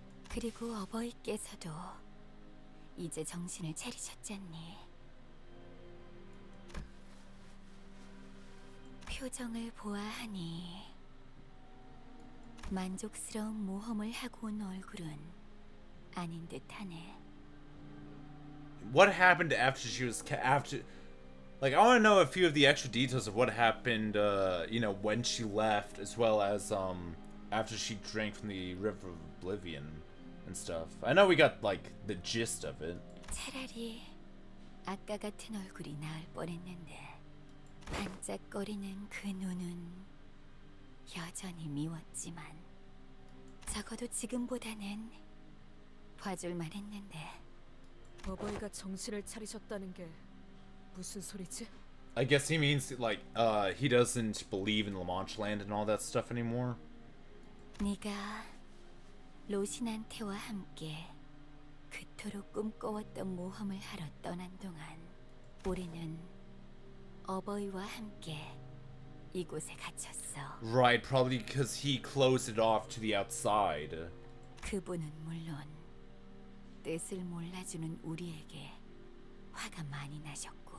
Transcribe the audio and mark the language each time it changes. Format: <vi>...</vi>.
<ko>그리고 어버이께서도 이제 정신을 차리셨잖니. 표정을 보아하니 만족스러운 모험을 하고 온 얼굴은 아닌 듯하네.</ko> <en>What happened after she was after? Like, I want to know a few of the extra details of what happened. You know, when she left, as well as after she drank from the River of Oblivion and stuff. I know we got like the gist of it.</en> <ko>차라리 아까 같은 얼굴이 나을 뻔했는데 반짝거리는 그 눈은. 여전히 미웠지만 적어도 지금보다는 봐줄만 했는데. 어버이가 정신을 차리셨다는 게 무슨 소리지?</ko> <en>I guess he means like he doesn't believe in Lamanchland and all that stuff anymore.</en> <ko>네가 로신한테와 함께 그토록 꿈꿔왔던 모험을 하러 떠난 동안 우리는 어버이와 함께 이곳에 갇혔어.</ko> <en>Right, probably because he closed it off to the outside.</en> <ko>그분은 물론 뜻을 몰라주는 우리에게 화가 많이 나셨고.</ko>